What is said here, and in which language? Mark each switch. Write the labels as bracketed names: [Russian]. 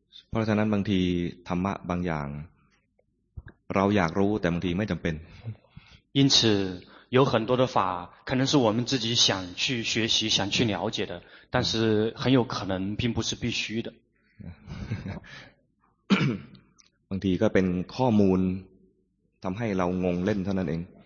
[Thai] เพราะฉะนั้นบางทีธรรมะบางอย่างเราอยากรู้แต่บางทีไม่จำเป็น [Chinese] 因此有很多的法可能是我们自己想去学习想去了解的但是很有可能并不是必须的 [Thai] บางทีก็เป็นข้อมูลทำให้เรางงเล่นเท่านั้นเอง